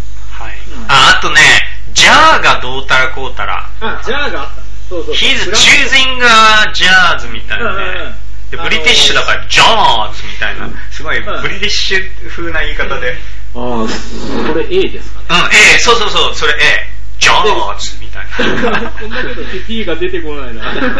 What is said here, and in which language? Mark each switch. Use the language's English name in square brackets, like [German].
[Japanese] はい。あ、あとね、ジャーがどうたらこうたら。あ、ジャーがあった。そうそう。 [English] He's choosing a jazz [Japanese] みたいなね。で、ブリティッシュだから、ジャーズみたいな。すごい、ブリティッシュ風な言い方で。ああ、これ A ですかね。うん、A。そうそうそう、それ A。ジャーズみたいな。こんなこと、T が出てこないな。